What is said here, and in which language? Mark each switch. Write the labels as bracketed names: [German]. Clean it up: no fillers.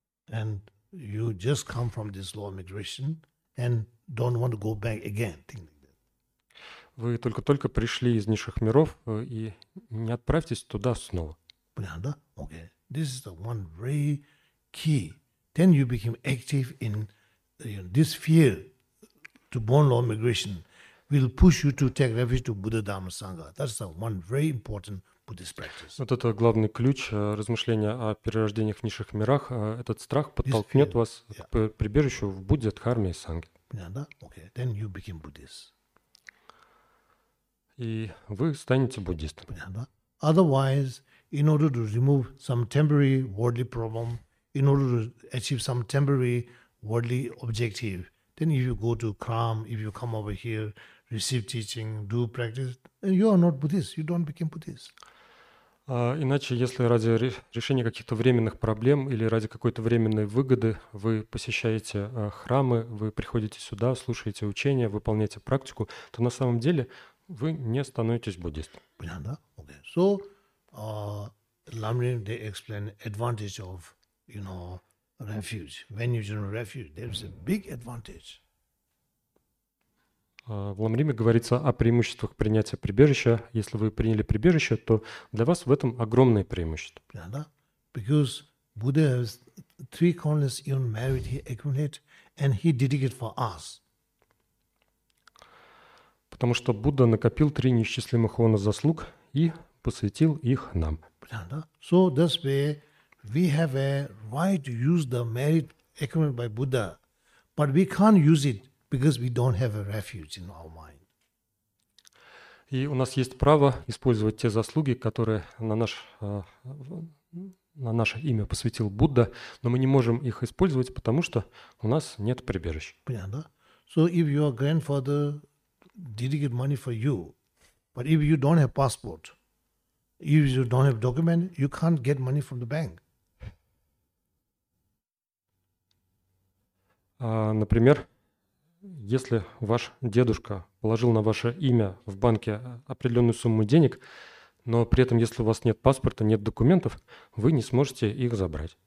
[English] And you just come from this low migration and don't want to go back again. [Russian] Вы только-только пришли из низших миров и не отправьтесь туда снова. Понятно, да? [English] Okay. This is the one very key. Then you become active in this fear to born low migration will push you to take refuge to Buddha, Dhamma, Sangha. That's the one very important Buddhist practice. [Russian] Вот это главный ключ размышления о перерождениях в низших мирах. Этот страх подтолкнет вас к прибежищу в Будде, Дхарме и Сангхе. Понятно, да? [English] Okay. Then you become Buddhist. [Russian] И вы станете буддистом. Понятно, да? [English] Otherwise, in order to remove some temporary worldly problem, in order to achieve some temporary worldly objective, then if you go to Kram, if you come over here, receive teaching, do practice, and you are not Buddhist, you don't become Buddhist. [Russian] Иначе, если ради решения каких-то временных проблем или ради какой-то временной выгоды вы посещаете храмы, вы приходите сюда, слушаете учения, выполняете практику, то на самом деле вы не становитесь буддистом. Понятно? [English] Okay. So, Lamrim, they explain advantage of, you know, refuge. When you join refuge, there is a big advantage. [Russian] В Ламриме говорится о преимуществах принятия прибежища. Если вы приняли прибежище, то для вас в этом огромное преимущество. [English] Because Buddha has three countless even merit he accumulate and he dedicate for us. [Russian] Потому что Будда накопил три неисчислимых ована заслуг и посвятил их нам. [English] So this way we have a right to use the merit accumulated by Buddha, but we can't use it. Because we don't have a refuge in our mind. [Russian] И у нас есть право использовать те заслуги, которые на наше имя посвятил Будда, но мы не можем их использовать, потому что у нас нет прибежища. Понятно? [English] So if your grandfather dedicated money for you, but if you don't have passport, if you don't have document, you can't get money from the bank. [Russian] Например, если ваш дедушка положил на ваше имя в банке определенную сумму денег, но при этом, если у вас нет паспорта, нет документов, вы не сможете их забрать.